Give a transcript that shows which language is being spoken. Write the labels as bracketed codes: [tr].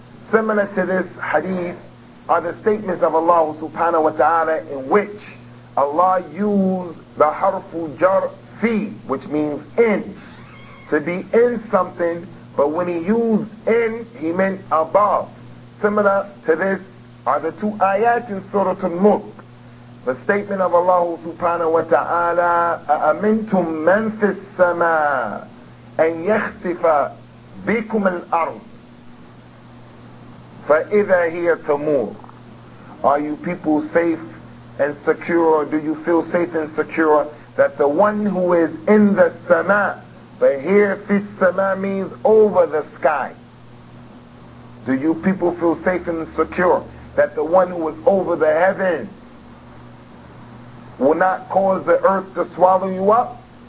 [en] Similar to this hadith are the statements of Allah subhanahu wa ta'ala in which Allah used the harfu jar fi, which means in, to be in something, but when he used in, he meant above. Similar to this are the two ayat in Surah Al-Mulk. The statement of Allah subhanahu wa ta'ala, [ar] أَأَمِنْتُمْ مَنْ فِي السَّمَاءِ أَنْ يَخْتِفَ بِكُمْ الْأَرْضِ فَإِذَا هِيَ تَمُورُ. [en] Are you people safe and secure? Do you feel safe and secure that the one who is in the sama, but here fi sama means over the sky. Do you people feel safe and secure that the one who is over the heavens will not cause the earth to swallow you up?